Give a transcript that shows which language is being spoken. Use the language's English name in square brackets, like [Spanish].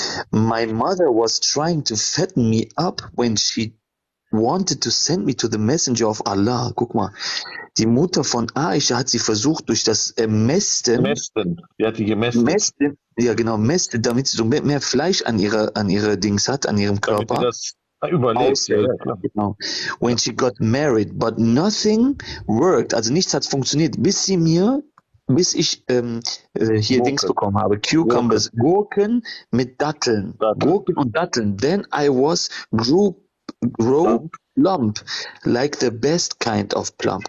[English] My mother was trying to fatten me up when she wanted to send me to the messenger of Allah. [German] Guck mal, die Mutter von Aisha hat sie versucht durch das Mästen. Die hat die gemästet. Mästen, ja genau, mästet, damit sie so mehr Fleisch an ihrer Dings hat, an ihrem Körper. Damit sie das überlebt. Aus, ja, genau. [English] When she got married, but nothing worked. [German] Also nichts hat funktioniert, bis ich Dings bekommen habe. Cucumbers, Gurken mit Datteln. Gurken und Datteln. [English] Then I was plump, like the best kind of plump.